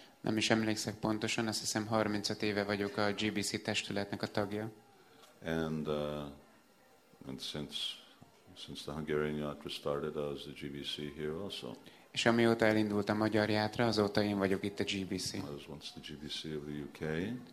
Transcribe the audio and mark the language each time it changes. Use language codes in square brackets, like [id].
[hu] Nem is emlékszek pontosan, azt hiszem 35 éve vagyok a GBC testületnek a tagja. [en] And since the Hungarian Yatra started, I was the GBC here also. [hu] És amióta elindult a magyar játra, azóta én vagyok itt a GBC. [en] I was once the GBC of the UK.